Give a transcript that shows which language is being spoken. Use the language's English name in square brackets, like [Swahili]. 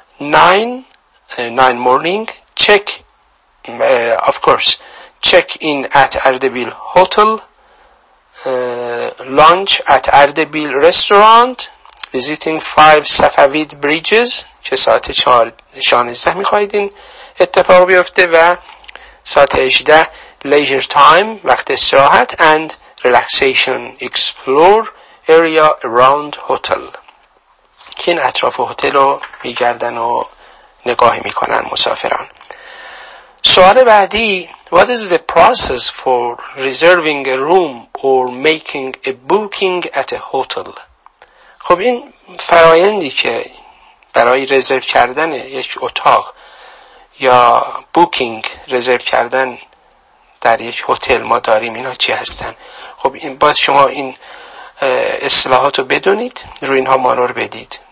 [English] 9 morning, check, of course, check in at Ardabil Hotel, lunch at Ardabil Restaurant, visiting 5 Safavid Bridges, [Persian] چه ساعت 16 میخواهید این اتفاق بیفته و ساعت 18 [English] leisure time, [Persian] وقت استراحت, [English] and relaxation, explore area around hotel. [Persian] که این اطراف هتل رو میگردن و نگاهی میکنن مسافران. سوال بعدی, [English] what is the process for reserving a room or making a booking at a hotel? [Persian] خب این فرایندی که برای رزرو کردن یک اتاق یا بوکینگ رزرو کردن در یک هتل ما داریم, اینا چی هستن؟ خب این باید شما این اصطلاحات رو بدونید, روی اینها مانور بدید.